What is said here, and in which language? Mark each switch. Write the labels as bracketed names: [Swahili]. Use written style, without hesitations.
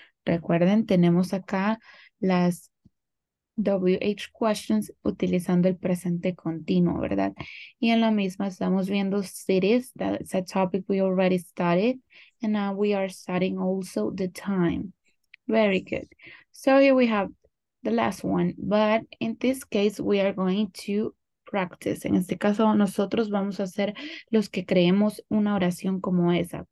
[Spanish] Recuerden, tenemos acá las WH questions utilizando el presente continuo, ¿verdad? Y en la misma estamos viendo cities. [English] That's a topic we already studied. And now we are studying also the time. Very good. So here we have the last one. But in this case, we are going to practice. [Spanish] En este caso, nosotros vamos a ser los que creemos una oración como esa.